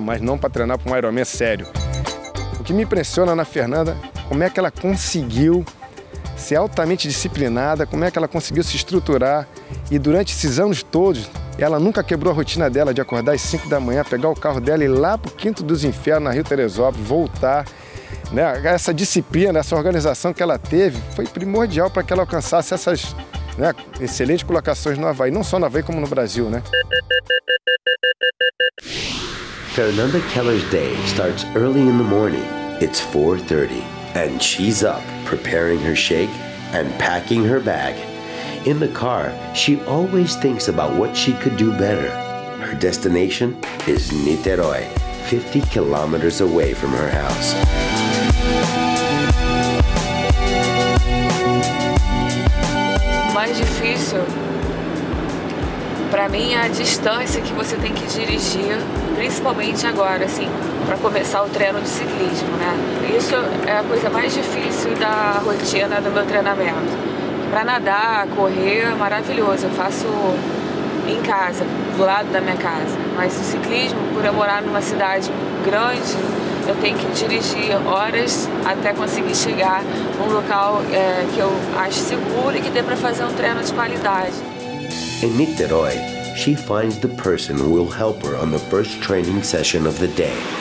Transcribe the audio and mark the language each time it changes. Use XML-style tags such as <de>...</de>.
<pt>Mas não para treinar para um Ironman sério. O que me impressiona na Fernanda, como é que ela conseguiu ser altamente disciplinada, como é que ela conseguiu se estruturar e durante esses anos todos, ela nunca quebrou a rotina dela de acordar às 5 da manhã, pegar o carro dela e ir lá pro Quinto dos Infernos, na Rio Teresópolis, voltar. Né? Essa disciplina, essa organização que ela teve foi primordial para que ela alcançasse essas, né, excelentes colocações no Havaí, não só no Havaí como no Brasil, né?</pt> <en>Fernanda Keller's day starts early in the morning. It's 4:30 and she's up preparing her shake and packing her bag. In the car, she always thinks about what she could do better. Her destination is Niterói, 50 kilometers away from her house.</en> <pt>Mais difícil para mim é a distância que você tem que dirigir, principalmente agora, assim, para começar o treino de ciclismo, né? Isso é a coisa mais difícil da rotina do meu treinamento. Para nadar, correr, maravilhoso, eu faço em casa, do lado da minha casa. Mas o ciclismo, por eu morar numa cidade grande, eu tenho que dirigir horas até conseguir chegar num local que eu acho seguro e que dê para fazer um treino de qualidade. Em</pt> <en>Niterói, she finds the person who will help her on the first training session of the day.</en>